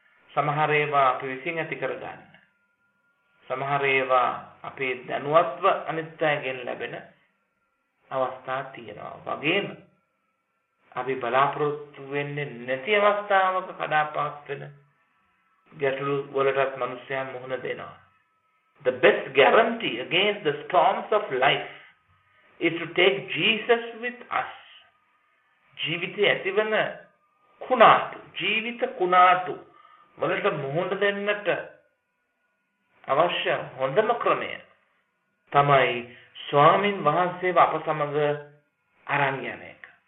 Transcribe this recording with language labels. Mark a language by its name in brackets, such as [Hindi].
[Sinhala] සමහර ඒවා අපි විසින් ඇති කර ගන්න. සමහර ඒවා අපේ දැනුවත්ව අනිත්‍යයෙන් ලැබෙන අවස්ථා තියෙනවා. වගේම අපි බලාපොරොත්තු වෙන්නේ නැති අවස්ථාවක කඩාපාස් වෙන ගැටලු වලටත් මිනිස්සුන් මුහුණ දෙනවා. [English] The best guarantee against the storms of life is to take Jesus with us. [Sinhala] ජීවිතයේ ඇතිවන කුණාටු, ජීවිත කුණාටු වලට මුහුණ දෙන්නට අවශ්‍ය හොඳම ක්‍රමය තමයි ස්වාමින් වහන්සේව අප සමග අරන් යන එක.